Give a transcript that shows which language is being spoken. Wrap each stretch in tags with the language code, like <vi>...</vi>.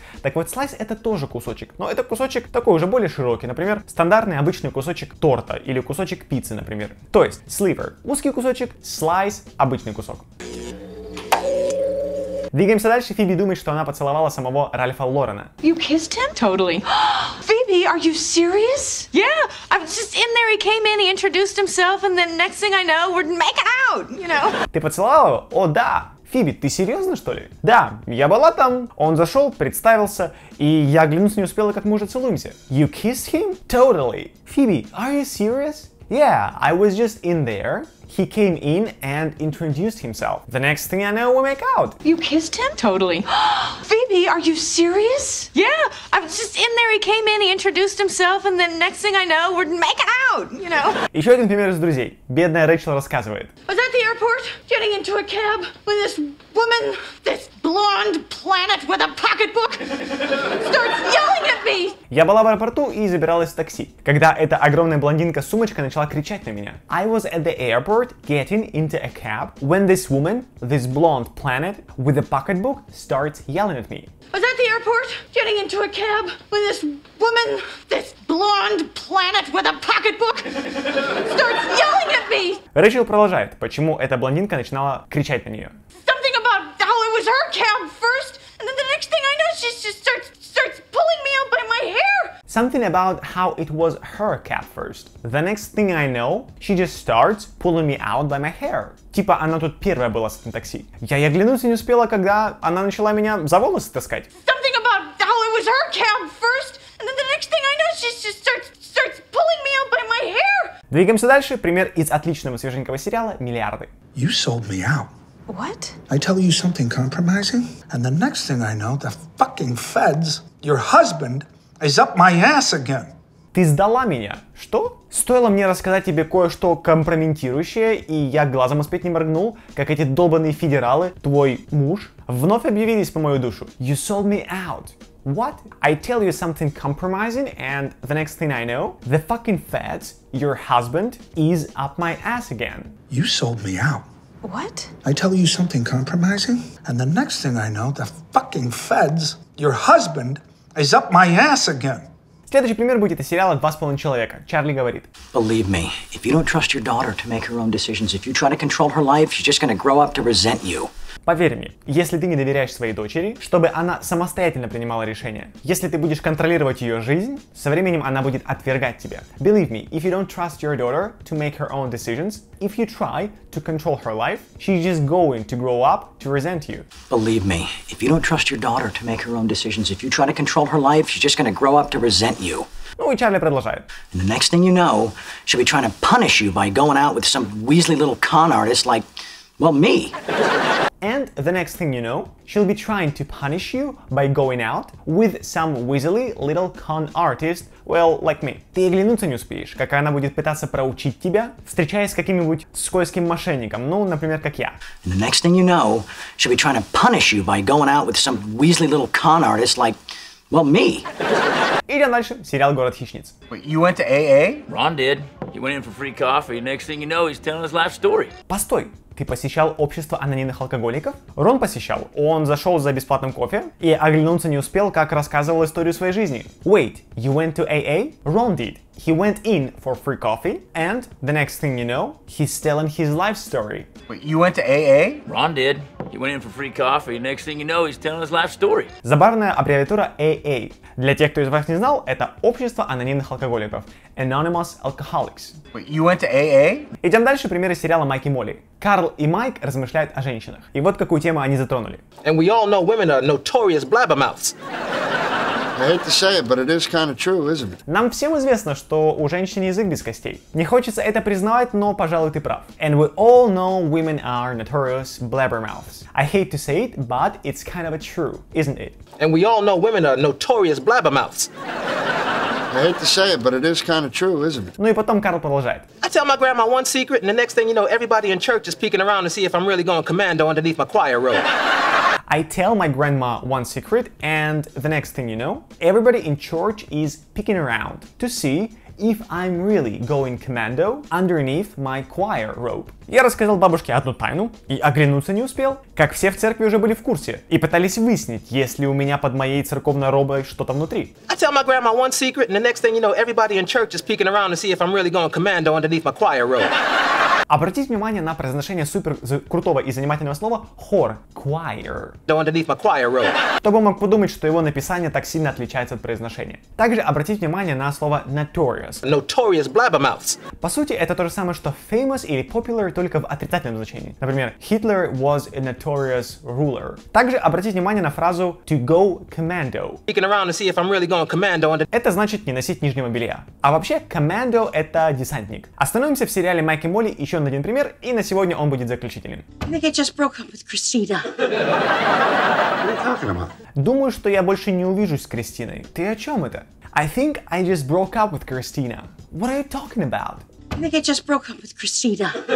<ru>Так вот, слайс — это тоже кусочек, но это кусочек такой уже более широкий, например, стандартный обычный кусочек торта или кусочек пиццы, например. То есть, sliver — узкий кусочек, слайс — обычный кусок. Двигаемся дальше, Фиби думает, что она поцеловала самого Ральфа Лорена.</ru> <en>You kissed him? Totally. Фиби, are you serious? Yeah, I was just in there, he came in, he introduced himself, and then next thing I know, we're making out, you know?</en> <ru>Ты поцеловала его? О, да! Фиби, ты серьезно, что ли? Да, я была там. Он зашел, представился, и я оглянуться не успела, как мы уже целуемся.</ru> <en>You kissed him? Totally. Фиби, are you serious? Yeah, I was just in there. He came in and introduced himself. The next thing I know, we make out. You kissed him? Totally. Фиби, are you serious? Yeah, I was just in there, he came in, he introduced himself, and then next thing I know, we're making out, you know?</en> <ru>Еще один пример из друзей. Бедная Рэйчел рассказывает.</ru> <en>Was at the airport, getting into a cab, with this woman, this blonde planet with a pocketbook, starts yelling at me!</en> <ru>Я была в аэропорту и забиралась в такси, когда эта огромная блондинка с сумочкой начала кричать на меня.</ru> <en>I was at the airport getting into a cab when this woman, this blonde planet with a pocketbook, starts yelling at me. Was at the airport getting into a cab when this woman, this blonde planet with a pocketbook, starts yelling at me.</en> <ru>Рэйчел продолжает, почему эта блондинка начинала кричать на нее.</ru> <en>Something about how it was her cab first, and then the next thing I know, she just starts pulling me out by my hair. Something about how it was her cab first. The next thing I know, she just starts pulling me out by my hair.</en> <ru>Типа она тут первая была с этим такси. Я глянуться не успела, когда она начала меня за волосы таскать.</ru> <en>Something about how it was her cab first, and then the next thing I know, she just starts pulling me out by my hair.</en> <ru>Двигаемся дальше. Пример из отличного свеженького сериала «Миллиарды».</ru> <en>You sold me out. What? I tell you something compromising, and the next thing I know, the fucking feds, your husband, is up my ass again.</en> <ru>Ты сдала меня. Что? Стоило мне рассказать тебе кое-что компрометирующее, и я глазом успеть не моргнул, как эти долбанные федералы, твой муж, вновь объявились по мою душу.</ru> <en>You sold me out. What? I tell you something compromising, and the next thing I know, the fucking feds, your husband, is up my ass again. You sold me out. What? I tell you something compromising, and the next thing I know, the fucking feds, your husband, is up my ass again.</en> <ru>Следующий пример будет из сериала «Два с половиной человека». Чарли говорит.</ru> <en>Believe me, if you don't trust your daughter to make her own decisions, if you try to control her life, she's just gonna grow up to resent you.</en> <ru>Поверь мне, если ты не доверяешь своей дочери, чтобы она самостоятельно принимала решения, если ты будешь контролировать ее жизнь, со временем она будет отвергать тебя.</ru> <en>Believe me, if you don't trust your daughter to make her own decisions, if you try to control her life, she's just going to grow up to resent you. Believe me, if you don't trust your daughter to make her own decisions, if you try to control her life, she's just gonna grow up to resent you.</en> <ru>Ну и Чарли продолжает.</ru> <en>And the next thing you know, she'll be trying to punish you by going out with some weaselly little con artist like, well, me. And the next thing you know, she'll be trying to punish you by going out with some weaselly little con artist, well, like me.</en> <ru>Ты оглянуться не успеешь, как она будет пытаться проучить тебя, встречаясь с каким-нибудь скользким мошенником, ну, например, как я.</ru> <en>And the next thing you know, she'll be trying to punish you by going out with some weaselly little con artist like, well, me.</en> <ru>Идем дальше. Сериал «Город хищниц».</ru> <en>Wait, you went to AA? Ron did. He went in for free coffee. Next thing you know, he's telling his life story.</en> <ru>Постой. Ты посещал общество анонимных алкоголиков? Рон посещал. Он зашел за бесплатным кофе и оглянуться не успел, как рассказывал историю своей жизни.</ru> <en>Wait, you went to AA? Ron did. He went in for free coffee, and the next thing you know, he's telling his life story. Wait, you went to AA? Ron did. He went in for free coffee, and next thing you know, he's telling his life story.</en> <ru>Забавная аббревиатура AA. Для тех, кто из вас не знал, это общество анонимных алкоголиков.</ru> <en>Anonymous Alcoholics. Wait, you went to AA?</en> <ru>Идем дальше, примеры сериала «Майк и Молли». Карл и Майк размышляют о женщинах. И вот какую тему они затронули.</ru> <en>And we all know women are notorious blabbermouths. I hate to say it, but it is kind of true, isn't it?</en> <ru>Нам всем известно, что у женщин язык без костей. Не хочется это признавать, но, пожалуй, ты прав.</ru> <en>And we all know women are notorious blabbermouths. I hate to say it, but it's kind of true, isn't it? And we all know women are notorious blabbermouths. I hate to say it, but it is kind of true, isn't it?</en> <ru>Ну и потом Карл продолжает.</ru> <en>I tell my grandma one secret, and the next thing you know, everybody in church is peeking around to see if I'm really going commando underneath my choir robe. I tell my grandma one secret, and the next thing you know, everybody in church is peeking around to see if I'm really going commando underneath my choir robe.</en> <ru>Я рассказал бабушке одну тайну и оглянуться не успел, как все в церкви уже были в курсе и пытались выяснить, есть ли у меня под моей церковной робой что-то внутри.</ru> <en>I tell my grandma one secret, and the next thing you know, everybody in church is peeking around to see if I'm really going commando underneath my choir robe.</en> <ru>Обратите внимание на произношение супер крутого и занимательного слова хор, choir.</ru> <en>Don't underneath my choir robe.</en> <ru>Кто бы мог подумать, что его написание так сильно отличается от произношения. Также обратите внимание на слово notorious.</ru> <en>Notorious blabbermouths.</en> <ru>По сути, это то же самое, что famous или popular, только в отрицательном значении. Например,</ru> <en>Hitler was a notorious ruler.</en> <ru>Также обратите внимание на фразу</ru> <en>to go commando. Peeking around to see if I'm really going commando under...</en> <ru>Это значит не носить нижнего белья. А вообще, commando — это десантник. Остановимся в сериале «Майк и Молли» и еще один пример, и на сегодня он будет заключительным.</ru> <en>I think I just broke up with Christina.</en> <ru>Думаю, что я больше не увижусь с Кристиной. Ты о чем это?</ru> <en>I think I just broke up with Christina. What are you talking about? I think I just broke up with Christina.</en>